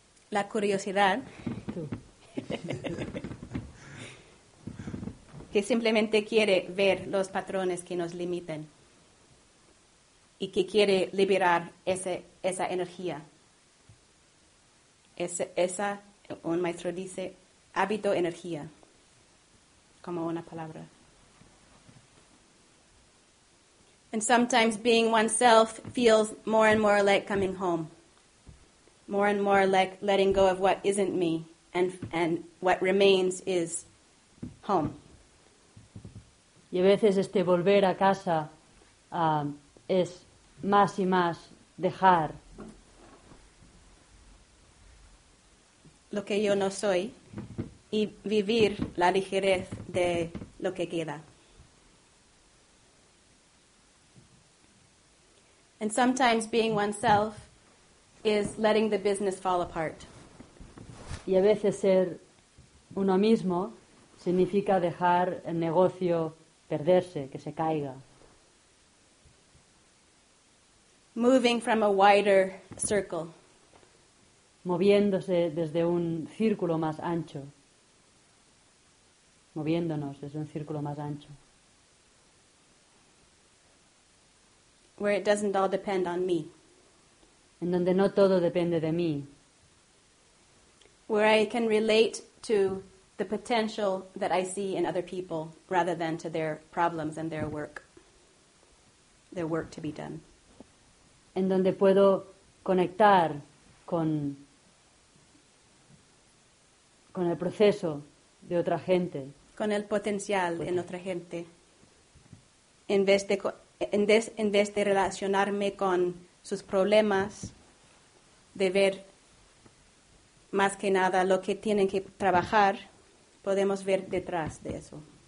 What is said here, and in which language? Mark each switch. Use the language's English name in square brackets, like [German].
[Spanish] la curiosidad que simplemente quiere ver los patrones que nos limiten y que quiere liberar esa energía. Esa, un maestro dice, hábito energía, como una palabra. [English] And sometimes being oneself feels more and more like coming home, more and more like letting go of what isn't me, and what remains is home. [Spanish] Y a veces este volver a casa es más y más dejar lo que yo no soy y vivir la ligerez de lo que queda. [English] And sometimes being oneself is letting the business fall apart. [Spanish] Y a veces ser uno mismo significa dejar el negocio perderse, que se caiga. [English] Moving from a wider circle. [Spanish] Moviéndose desde un círculo más ancho. Moviéndonos desde un círculo más ancho. [English] Where it doesn't all depend on me. [Spanish] En donde no todo depende de mí. [English] Where I can relate to the potential that I see in other people rather than to their problems and their work to be done. [Spanish] En donde puedo conectar con el proceso de otra gente. Con el potencial en otra gente. En vez de relacionarme con sus problemas, de ver más que nada lo que tienen que trabajar, podemos ver detrás de eso.